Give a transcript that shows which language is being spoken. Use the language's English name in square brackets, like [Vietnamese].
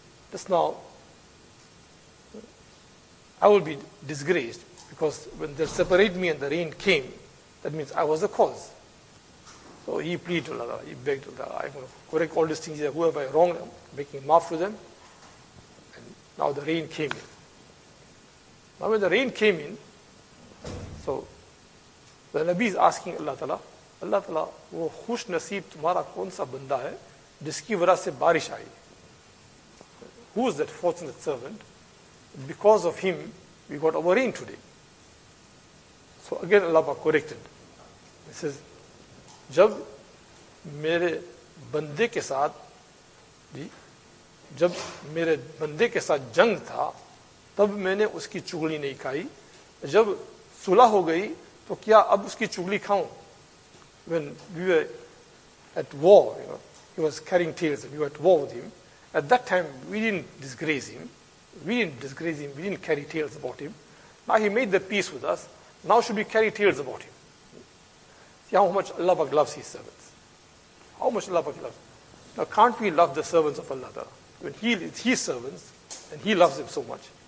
[English] Just now, I will be disgraced, because when they separate me and the rain came, that means I was the cause. So he pleaded to Allah, he begged to Allah, I'm going to correct all these things here. Who have I wronged? I'm making maaf for them. And now the rain came in. Now when the rain came in, so The Nabi is asking Allah Ta'ala, [Urdu] Allah Ta'ala, وہ خوش نصیب تمہارا کون سا بندہ ہے جس کی وجہ سے بارش آئی. [English] Who is that fortunate servant? Because of him, we got our rain today. So again, Allah corrected. He says, [Urdu] جب میرے بندے کے ساتھ جنگ تھا تب میں نے اس کی چگلی نہیں کھائی, جب صلح ہو گئی تو کیا اب اس کی چگلی کھاؤں؟ [English] When we were at war, you know, he was carrying tales and we were at war with him. At that time, we didn't disgrace him, we didn't carry tales about him. Now he made the peace with us, now should we carry tales about him? See how much Allah Pak loves his servants. How much Allah Pak loves. Now can't we love the servants of Allah? When he is his servants, and he loves them so much.